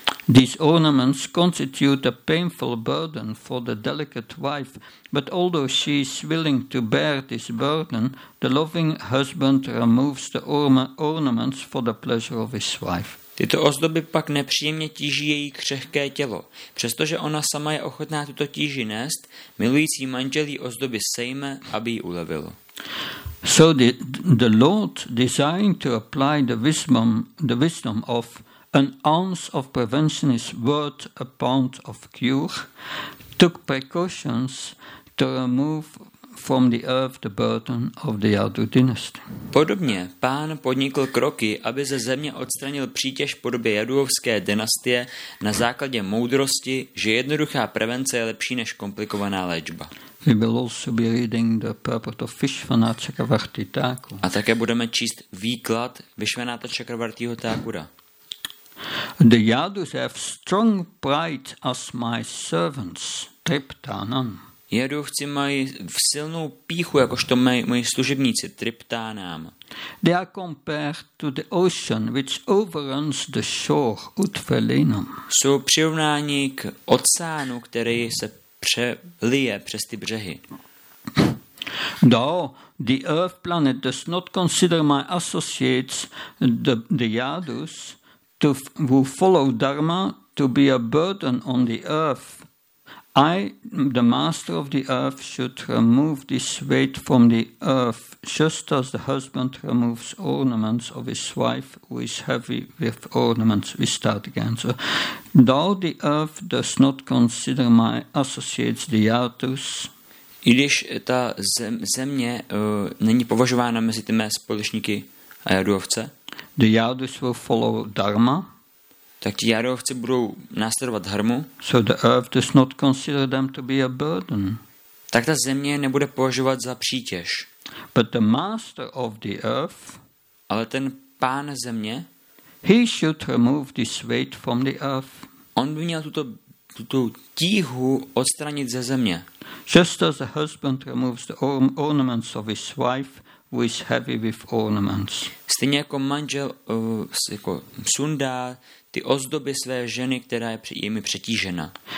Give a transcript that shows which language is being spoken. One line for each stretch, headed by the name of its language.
English: These ornaments constitute a painful burden for the delicate wife, but although she is willing to bear this burden, the loving husband removes the ornaments for the pleasure of his wife.
Czech: Tyto ozdoby pak nepříjemně tíží její křehké tělo. Přestože ona sama je ochotná tuto tíži nést, milující manžel jí ozdoby sejme, aby jí ulevil.
English: So the Lord designed to apply the wisdom of an ounce of prevention is worth a pound of cure, took precautions to remove from the earth the burden of the Yadu dynasty.
Czech: Podobně pán podnikl kroky, aby ze země odstranil přítěž podobě jaduovské dynastie na základě moudrosti, že jednoduchá prevence je lepší než komplikovaná léčba.
English: We will also be reading the purport of Vishvanatha Chakravarti Thakura.
Czech: A také budeme číst výklad Vishvanatha Chakravartiho Thakura.
English: The Yadus have strong pride as my servants, Triptanam.
Czech: Jadovci mají silnou píchu, jakožto moji služebníci, Triptanam.
English: They are compared to the ocean which overruns the shore, Utvelinam.
Czech: Jsou přirovnáni k oceánu, který se přelije přes ty břehy.
English: Though the earth planet does not consider my associates, the Yadus, who follow Dharma to be a burden on the earth, I, the master of the earth, should remove this weight from the earth, just as the husband removes ornaments of his wife, who is heavy with ornaments. We start again. So, though the earth does not consider my associates the Yadus,
Czech: i když ta země není považována mezi ty mé společníky a jaduovce,
English: the Yadus will follow Dharma.
Czech: Tak ti jaduovci budou následovat dharmu.
English: So the earth does not consider them to be a burden.
Czech: Tak ta země nebude považovat za přítěž.
English: But the master of the earth,
Czech: ale ten pán země,
English: he should remove this weight from the earth.
Czech: On by měl tuto tíhu odstranit ze země.
English: Just as a husband removes the ornaments of his wife, who is heavy with ornaments.
Czech: Stejně jako manžel jako sundá ty ozdoby své ženy, která je jimi přetížena.